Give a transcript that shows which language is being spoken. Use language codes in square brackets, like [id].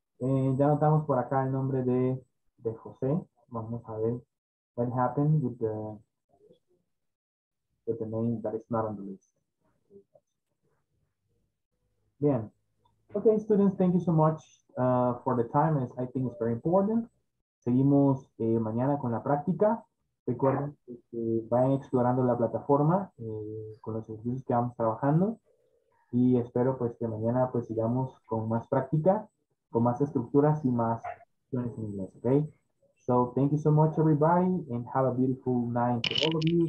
[es] Ya notamos por acá el nombre de José. Vamos a ver [en] what happened with the name that is not on the list. [es] Bien. [en] Okay, students, thank you so much for the time. I think it's very important. [es] Seguimos mañana con la práctica. Recuerden que vayan explorando la plataforma con los ejercicios que vamos trabajando. Y espero pues que mañana pues sigamos con más práctica, con más estructuras y más acciones en inglés, ¿ok? [en] So, thank you so much everybody and have a beautiful night to all of you.